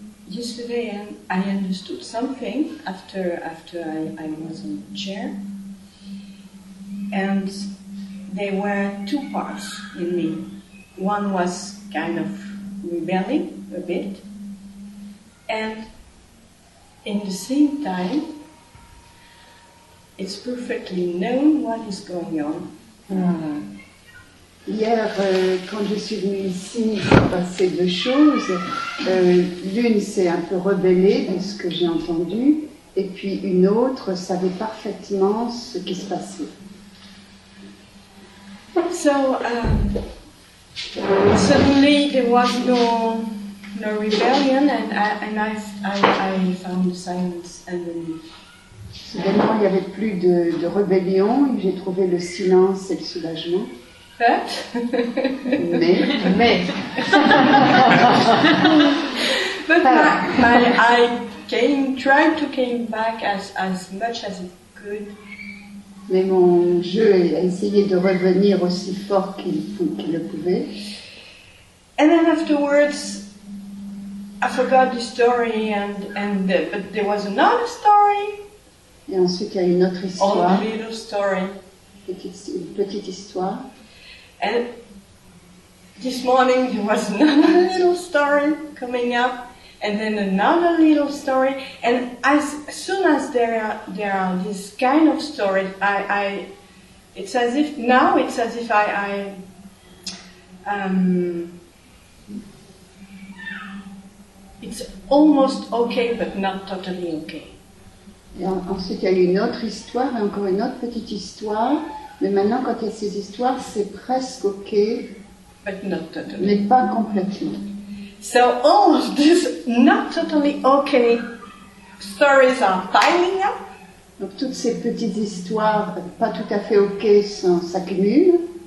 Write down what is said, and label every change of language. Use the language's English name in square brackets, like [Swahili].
[English] Yesterday I understood something after I was on the chair, and there were two parts in me. One was kind of rebelling a bit, and in the same time, it's perfectly known what is going on. [French] Hier, quand je suis venue ici, il s'est passé deux choses. L'une s'est un peu rebellée de ce que j'ai entendu, et puis une autre savait parfaitement ce qui se passait. [English] So, suddenly there was no rebellion, and I found the silence underneath. [French] Soudainement, il n'y avait plus de rébellion, et j'ai trouvé le silence et le soulagement. [English] But. [French] Mais. [English] But my I came, tried to came back as much as it could. [French] Mais mon jeu a essayé de revenir aussi fort qu'il le pouvait. [English] And then afterwards, I forgot the story, but there was another story. [French] Et ensuite, il y a une autre histoire. [English] Old little story. [French] Une petite histoire. [English] And this morning, there was another little story coming up, and then another little story. And as soon as there are this kind of story, I it's as if now it's as if I it's almost okay, but not totally okay. [French] Et ensuite, il y a une autre histoire, encore une autre petite histoire. Mais maintenant, quand il y a ces histoires, c'est presque OK. [English] But not totally. [French] Mais pas complètement. [English] So all of these not totally OK stories are piling up. [French] Donc toutes ces petites histoires pas tout à fait OK s'accumulent.